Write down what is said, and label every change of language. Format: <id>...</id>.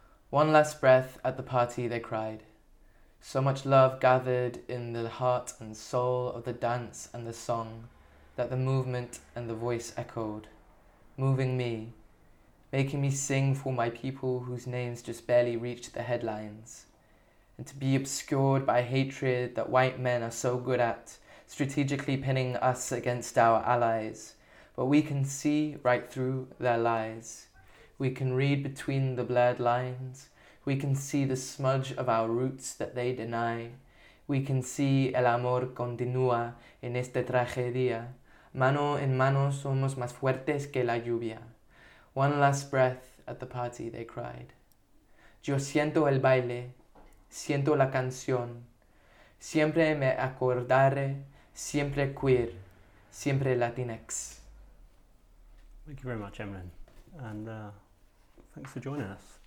<en>One last breath at the party, they cried. So much love gathered in the heart and soul of the dance and the song that the movement and the voice echoed, moving me, making me sing for my people whose names just barely reached the headlines, and to be obscured by hatred that white men are so good at, strategically pinning us against our allies. But we can see right through their lies. We can read between the blurred lines. We can see the smudge of our roots that they deny. We can see</en> <es>el amor continúa en esta tragedia. Mano en mano somos más fuertes que la lluvia.</es> <en>One last breath at the party, they cried.</en> <es>Yo siento el baile, siento la canción. Siempre me acordaré, siempre queer, siempre Latinx.</es> <en>Thank you very much, Emlyn, and thanks for joining us.</en>